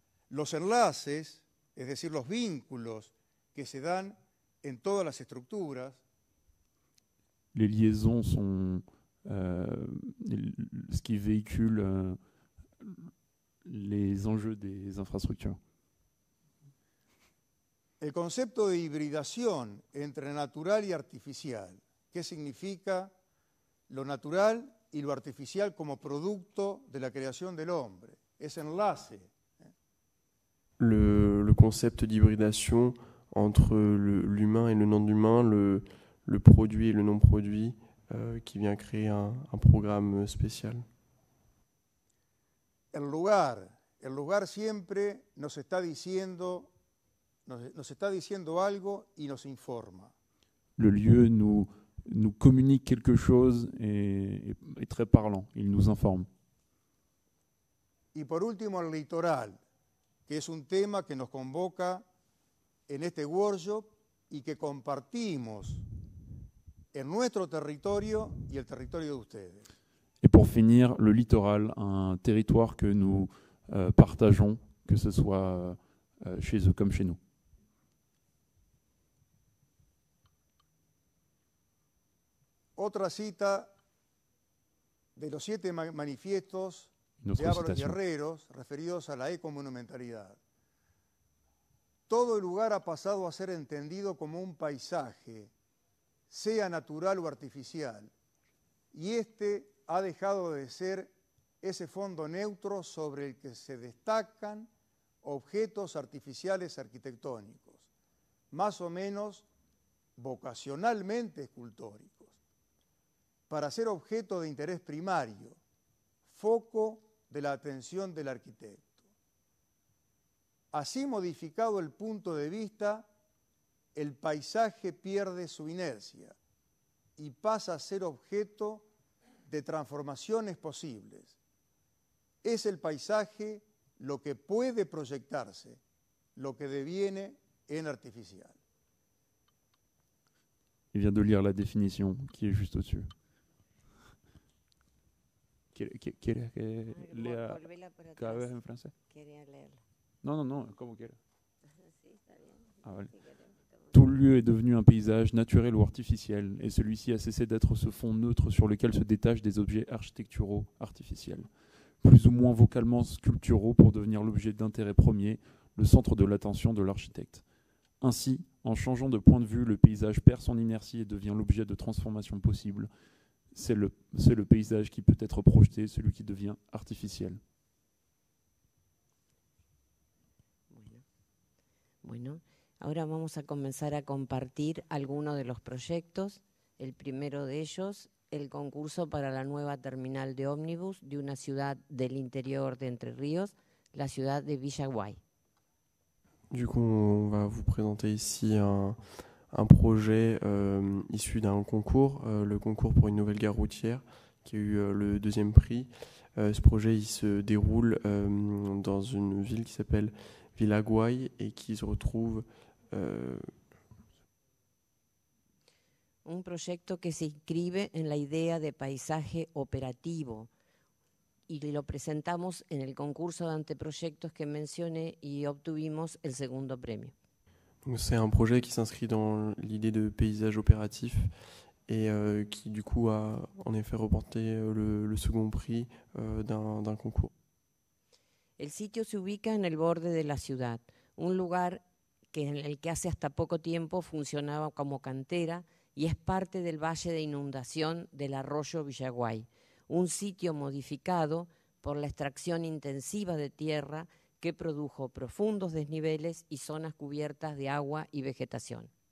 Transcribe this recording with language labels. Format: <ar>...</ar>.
<es>Los enlaces, es decir, los vínculos que se dan en todas las estructuras.</es> <fr>Les liaisons sont ce qui véhicule les enjeux des infrastructures.</fr> <es>El concepto de hibridación entre natural y artificial. ¿Qué significa lo natural y lo artificial como producto de la creación del hombre? Es enlace.</es> <fr>Le concept d'hybridation entre l'humain et le non-humain, le produit et le non-produit qui vient créer un programme spécial.</fr> <es>El lugar siempre nos está diciendo algo y nos informa.</es> <fr>Le lieu nous communique quelque chose et est très parlant, il nous informe.</fr> <es>Y por último el litoral, que es un tema que nos convoca en este workshop y que compartimos en nuestro territorio y el territorio de ustedes.</es> <fr>Et pour finir, le littoral, un territoire que nous partageons, que ce soit chez eux comme chez nous.</fr> <es>Otra cita de los siete manifiestos de Ábalos y Herreros referidos a la ecomonumentalidad. Todo el lugar ha pasado a ser entendido como un paisaje, sea natural o artificial, y este ha dejado de ser ese fondo neutro sobre el que se destacan objetos artificiales arquitectónicos, más o menos vocacionalmente escultóricos, para ser objeto de interés primario, foco de la atención del arquitecto. Así modificado el punto de vista, el paisaje pierde su inercia, y pasa a ser objeto de transformaciones posibles. Es el paisaje lo que puede proyectarse, lo que deviene en artificial.</es> <fr>Il vient de lire la définition qui est juste au-dessus.</fr> <es>¿Quieres que lea cada vez en francés? Quería leerla. No, como quiera. Sí, está bien. Ah, vale.</es> <fr>Tout lieu est devenu un paysage naturel ou artificiel, et celui-ci a cessé d'être ce fond neutre sur lequel se détachent des objets architecturaux artificiels, plus ou moins vocalement sculpturaux pour devenir l'objet d'intérêt premier, le centre de l'attention de l'architecte. Ainsi, en changeant de point de vue, le paysage perd son inertie et devient l'objet de transformations possibles. C'est le paysage qui peut être projeté, celui qui devient artificiel.</fr> <es>Bueno. Ahora vamos a comenzar a compartir algunos de los proyectos. El primero de ellos, el concurso para la nueva terminal de ómnibus de una ciudad del interior de Entre Ríos, la ciudad de Villa Guay.</es> <fr>Du coup, on va vous présenter ici un projet issu d'un concours, le concours pour une nouvelle gare routière qui a eu le deuxième prix. Ce projet, il se déroule dans une ville qui s'appelle Villa Guay et qui se retrouve</fr> <es>un proyecto que se inscribe en la idea de paisaje operativo y lo presentamos en el concurso de anteproyectos que mencioné y obtuvimos el segundo premio.</es> <fr>C'est un projet qui s'inscrit dans l'idée de paysage opératif et qui du coup a en effet remporté le second prix d'un concours.</fr> <es>El sitio se ubica en el borde de la ciudad, un lugar que en el que hace hasta poco tiempo funcionaba como cantera y es parte del valle de inundación del arroyo Villaguay, un sitio modificado por la extracción intensiva de tierra que produjo profundos desniveles y zonas cubiertas de agua y vegetación.</es>